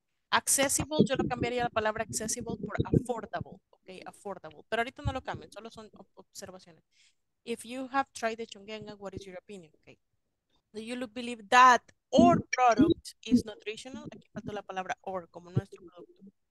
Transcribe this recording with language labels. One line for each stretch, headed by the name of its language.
Spanish: Accessible, yo lo cambiaría la palabra accessible por affordable. Okay, affordable. Pero ahorita no lo cambien, solo son observaciones.
English: If you have tried the chongenga, what is your opinion? Okay. Do you believe that or product is nutritional?
Spanish: Aquí falta la palabra or, como nuestro producto.